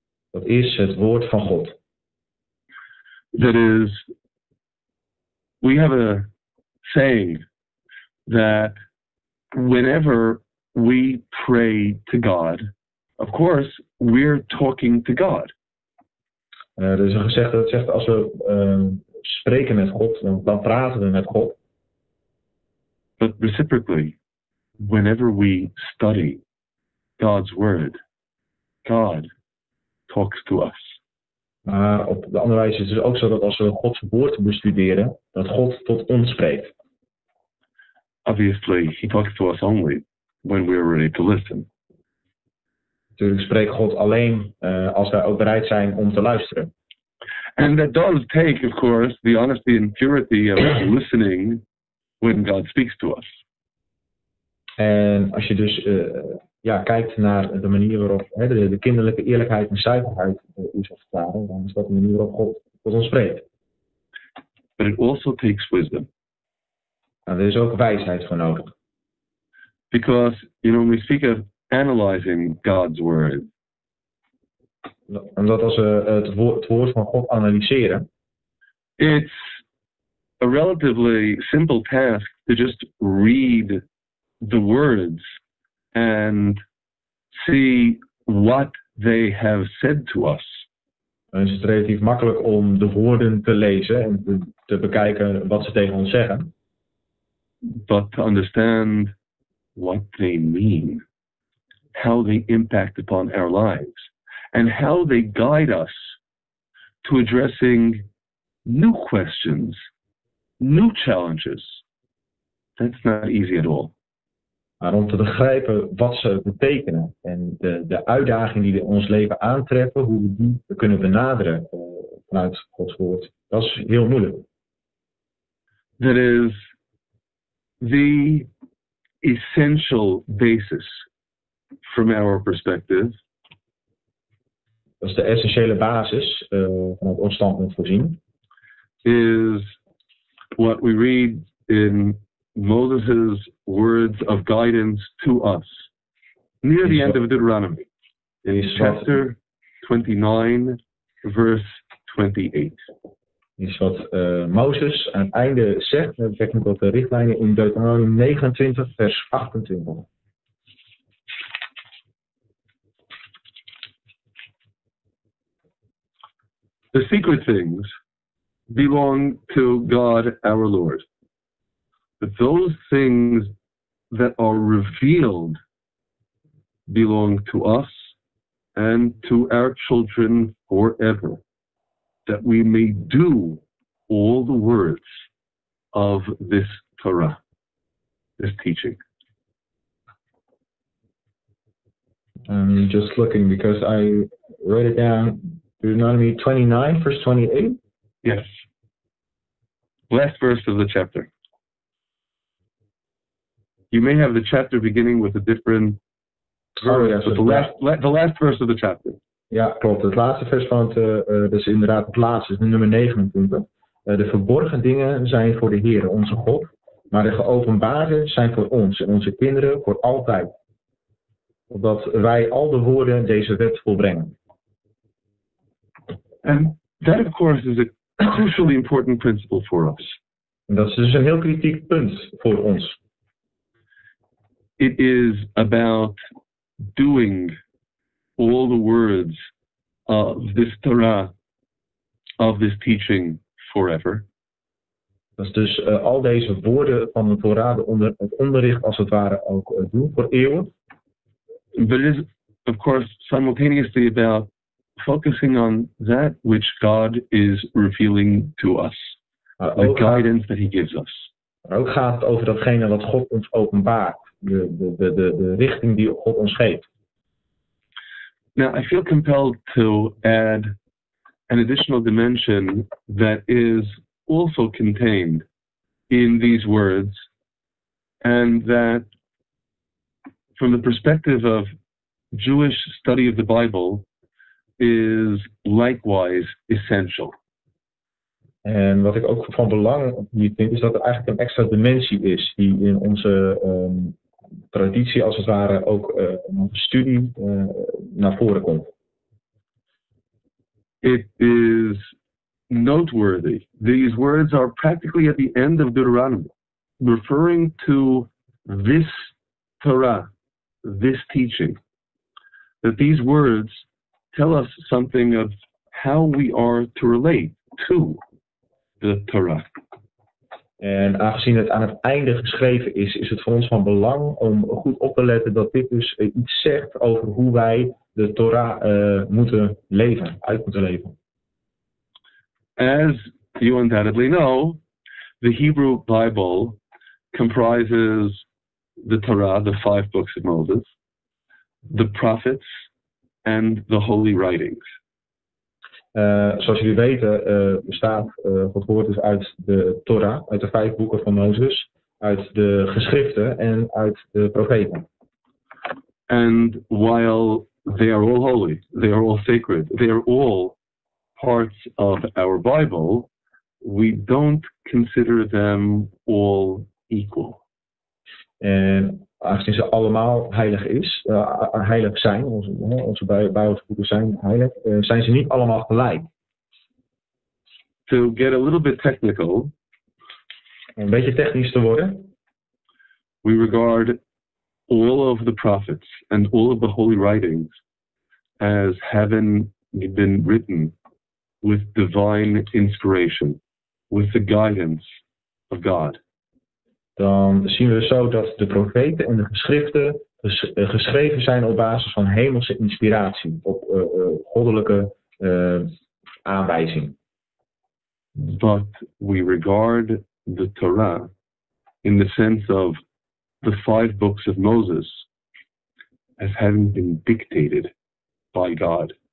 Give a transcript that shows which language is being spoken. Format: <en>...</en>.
<nl>Dat is het woord van God.</nl> <en>That is, we have a saying that whenever we pray to God, of course, we're talking to God.</en> <nl>Er is een gezegde dat zegt als we spreken met God, dan praten we met God.</nl> <en>But reciprocally, whenever we study God's word, God talks to us.</en> <nl>Maar op de andere wijze is het ook zo dat als we Gods woord bestuderen, dat God tot ons spreekt.</nl> <en>Obviously, he talks to us only when we are ready to listen.</en> <nl>Natuurlijk spreekt God alleen als wij ook bereid zijn om te luisteren.</nl> <en>And that does take, of course, the honesty and purity of listening when God speaks to us.</en> <nl>En als je dus kijkt naar de manier waarop de kinderlijke eerlijkheid en zuiverheid is ervaren, dan is dat de manier waarop God tot ons spreekt.</nl> <en>But it also takes wisdom.</en> <nl>En er is ook wijsheid voor nodig.</nl> <en>Because, you know, when we speak of analyzing God's word.</en> <nl>Omdat als we het woord van God analyseren.</nl> <en>It's a relatively simple task to just read the words and see what they have said to us.</en> <nl>Dan is het relatief makkelijk om de woorden te lezen en te bekijken wat ze tegen ons zeggen.</nl> <en>But to understand what they mean, how they impact upon our lives, and how they guide us to addressing new questions, new challenges. That's not easy at all.</en> <nl>Maar om te begrijpen wat ze betekenen en de uitdaging die we in ons leven aantreffen, hoe we die kunnen benaderen vanuit Gods woord, dat is heel moeilijk.</nl> <en>That is the essential basis from our perspective.</en> <nl>Dat is de essentiële basis vanuit ons standpunt voorzien.</nl> <en>Is what we read in Moses' words of guidance to us near the end of Deuteronomy in chapter 29 verse 28.</en> <nl>Is wat Mozes aan het einde zegt met betrekking tot de richtlijnen in Deuteronomy 29 vers 28.</nl> <en>The secret things belong to God our Lord. But those things that are revealed belong to us and to our children forever, that we may do all the words of this Torah, this teaching. I'm just looking because I wrote it down, Deuteronomy 29, verse 28? Yes. Last verse of the chapter. You may have the chapter beginning with a different verse, but the last verse of the chapter.</en> <nl>Ja, klopt. Het laatste vers van het, dus inderdaad het laatste, is nummer 29. De verborgen dingen zijn voor de Heer, onze God, maar de geopenbaarde zijn voor ons en onze kinderen voor altijd. Opdat wij al de woorden deze wet volbrengen.</nl> <en>And that of course is a crucially important principle for us.</en> <nl>En dat is dus een heel kritiek punt voor ons.</nl> <en>It is about doing all the words of this Torah, of this teaching forever.</en> <nl>Dat is dus al deze woorden van de Torah, het onderricht als het ware ook doen voor eeuwen.</nl> <en>But it is, of course, simultaneously about focusing on that which God is revealing to us. The guidance that he gives us.</en> <nl>Ook gaat het over datgene wat God ons openbaart. De richting die God ons geeft.</nl> <en>Now, I feel compelled to add an additional dimension that is also contained in these words, and that from the perspective of Jewish study of the Bible is likewise essential.</en> <nl>En wat ik ook van belang hier vind, is dat er eigenlijk een extra dimensie is die in onze traditie als het ware ook studie naar voren komt.</nl> <en>It is noteworthy. These words are practically at the end of Deuteronomy, referring to this Torah, this teaching. That these words tell us something of how we are to relate to the Torah.</en> <nl>En aangezien het aan het einde geschreven is, is het voor ons van belang om goed op te letten dat dit dus iets zegt over hoe wij de Torah moeten leven, uit moeten leven.</nl> <en>As you undoubtedly know, the Hebrew Bible comprises the Torah, the five books of Moses, the prophets, and the holy writings.</en> <nl>Zoals jullie weten, bestaat Gods woord dus uit de Torah, uit de vijf boeken van Mozes, uit de geschriften en uit de profeten.</nl> <en>And while they are all holy, they are all sacred, they are all parts of our Bible, we don't consider them all equal.</en> <nl>En aangezien ze allemaal heilig is, heilig zijn, onze Bijbelboeken zijn heilig, zijn ze niet allemaal gelijk.</nl> <en>To get a little bit technical,</en> <nl>een beetje technisch te worden,</nl> <en>we regard all of the prophets and all of the holy writings as having been written with divine inspiration, with the guidance of God.</en> <nl>Dan zien we zo dat de profeten en de geschriften geschreven zijn op basis van hemelse inspiratie, op goddelijke aanwijzing.</nl> <en>But we regard the Torah in the sense of the five books of Moses as having been dictated by God.</en>